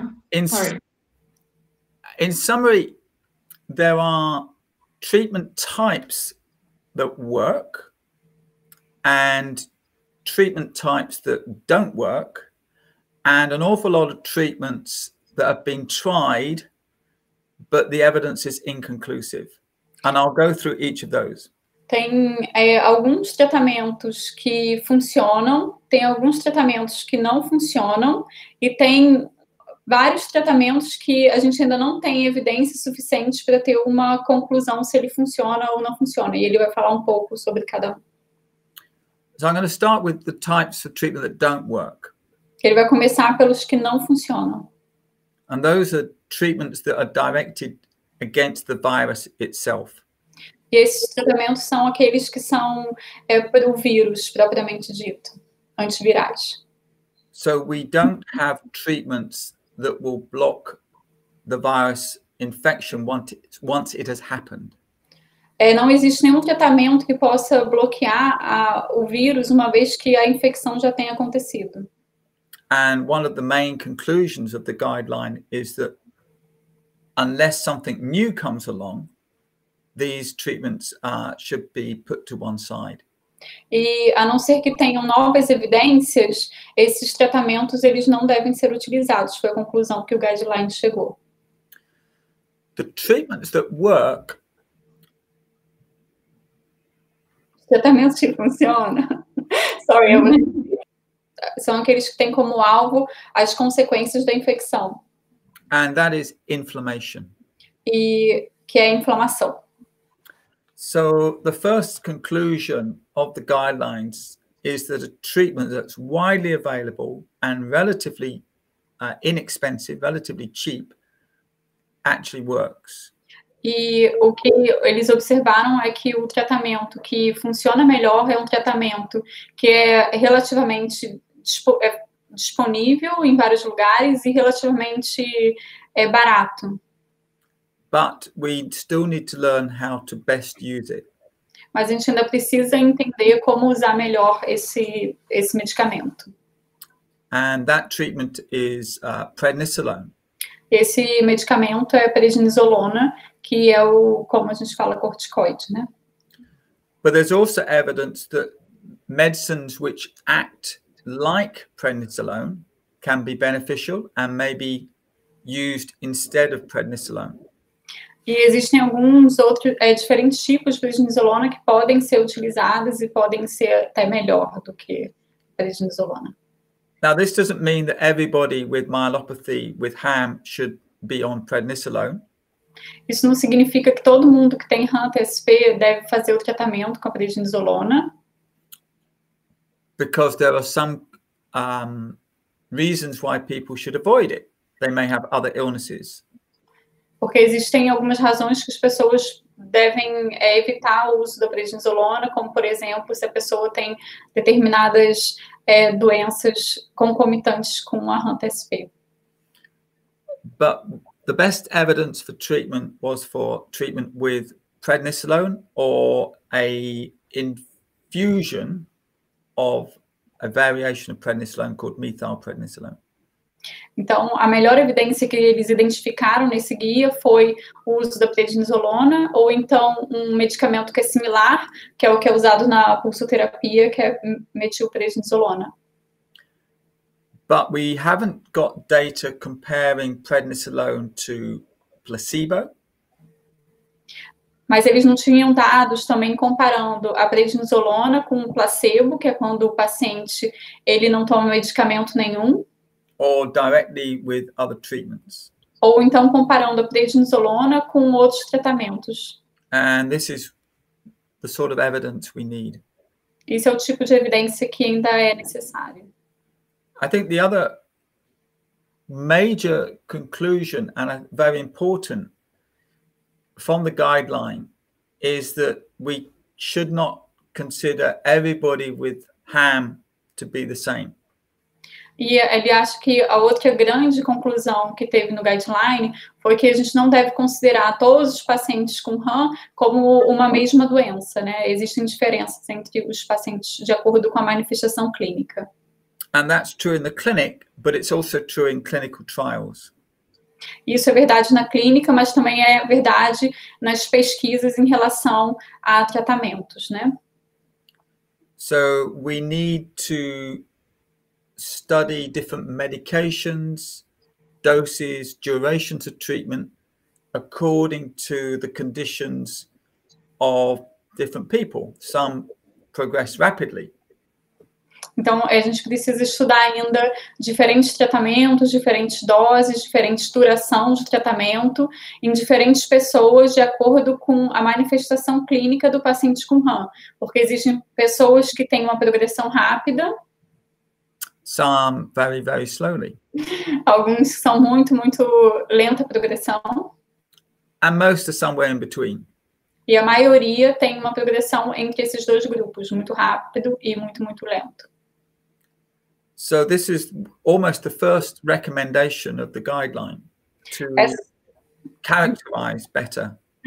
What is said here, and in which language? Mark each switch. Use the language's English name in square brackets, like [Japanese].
[English] In summary, there are treatment types that work and treatment types that don't work. And an awful lot of treatments that have been tried, but the evidence is inconclusive. And I'll go through each of those. [Portuguese] Tem alguns tratamentos que funcionam, tem alguns tratamentos que não funcionam, e tem vários tratamentos que a gente ainda não tem evidência suficiente para ter uma conclusão se ele funciona ou não funciona. E ele vai falar um pouco sobre cada um. [English] So I'm going to start with the types of treatment that don't work. [Portuguese] Ele vai começar pelos que não funcionam. [English] And those are treatments that are directed against the virus itself. [Portuguese] E esses tratamentos são aqueles que são para o vírus, propriamente dito, antivirais. [English] So we don't have treatments that will block the virus infection once it has happened. [Portuguese] Não existe nenhum tratamento que possa bloquear o vírus uma vez que a infecção já tenha acontecido. [English] And one of the main conclusions of the guideline is that unless something new comes along, these treatments should be put to one side. [Portuguese] E a não ser que tenham novas evidências, esses tratamentos eles não devem ser utilizados, foi a conclusão que o guideline chegou. [English] The treatments that work [Portuguese] Tratamento que funciona. [English] Sorry, [Portuguese] eu vou... São aqueles que têm como alvo as consequências da infecção. [English] And that is inflammation. [Portuguese] E que é a inflamação. [English] So the first conclusion of the guidelines is that a treatment that's widely available and relatively inexpensive, relatively cheap, actually works. [Portuguese] E o que eles observaram é que o tratamento que funciona melhor é um tratamento que é relativamente disponível em vários lugares e relativamente barato. [English] But we still need to learn how to best use it. [Portuguese] Mas a gente ainda precisa entender como usar melhor esse medicamento. [English] And that treatment is prednisolone. [Portuguese] Esse medicamento é prednisolona, que é o, como a gente fala, corticoide, né? [English] But there's also evidence that medicines which act like prednisolone can be beneficial and may be used instead of prednisolone. [Portuguese] E existem alguns outros diferentes tipos de prednisolona que podem ser utilizados e podem ser até melhor do que prednisolona. [English] Now this doesn't mean that everybody with myelopathy with HAM should be on prednisolone. [Portuguese] Isso não significa que todo mundo que tem HAM TSP deve fazer o tratamento com a prednisolona. [English] Because there are some reasons why people should avoid it. They may have other illnesses. [Portuguese] Porque existem algumas razões que as pessoas devem evitar o uso da prednisolona, como, por exemplo, se a pessoa tem determinadas doenças concomitantes com a HAM-TSP. [English] But the best evidence for treatment was for treatment with prednisolone or a infusion of a variation of prednisolone called methylprednisolone. [Portuguese] Então, a melhor evidência que eles identificaram nesse guia foi o uso da prednisolona ou então um medicamento que é similar, que é o que é usado na pulsoterapia, que é metilprednisolona. [English] But we haven't got data comparing prednisolone to placebo. [Portuguese] Mas eles não tinham dados também comparando a prednisolona com o placebo, que é quando o paciente ele não toma medicamento nenhum. [English] Or directly with other treatments. [Portuguese] Ou então comparando a prednisolona com outros tratamentos. [English] And this is the sort of evidence we need. [Portuguese] Esse é o tipo de evidência que ainda é necessário. [English] I think the other major conclusion and a very important from the guideline is that we should not consider everybody with HAM to be the same. [Portuguese] E ele acha que a outra grande conclusão que teve no guideline foi que a gente não deve considerar todos os pacientes com HAM como uma mesma doença, né? Existem diferenças entre os pacientes de acordo com a manifestação clínica. [English] And that's true in the clinic, but it's also true in clinical trials. [Portuguese] Isso é verdade na clínica, mas também é verdade nas pesquisas em relação a tratamentos, né? [English] So we need to study different medications, doses, durations of treatment according to the conditions of different people. Some progress rapidly. [Portuguese] Então, a gente precisa estudar ainda diferentes tratamentos, diferentes doses, diferentes duração de tratamento em diferentes pessoas de acordo com a manifestação clínica do paciente com HAM. Porque existem pessoas que têm uma progressão rápida. [English] Some very, very slowly. [Portuguese] Alguns são muito, muito lenta a progressão. [English] And most are somewhere in between. [Portuguese] E a maioria tem uma progressão entre esses dois grupos, muito rápido e muito, muito lento. [English] So this is almost the first recommendation of the guideline to characterize better.